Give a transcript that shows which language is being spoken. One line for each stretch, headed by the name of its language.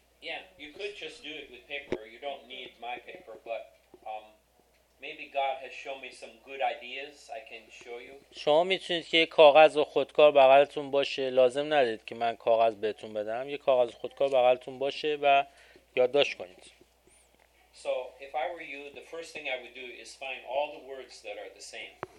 English: Yeah, you could just do it with paper. You don't need my paper, but maybe God has shown me some good ideas I can show you.
Persian: شما میتونید که یه کاغذ و خودکار بغلتون باشه، لازم ندید که من کاغذ بهتون بدم. یه کاغذ خودکار بغلتون باشه و یادداشت کنید.
English: So, if I were you, the first thing I would do is find all the words that are the same.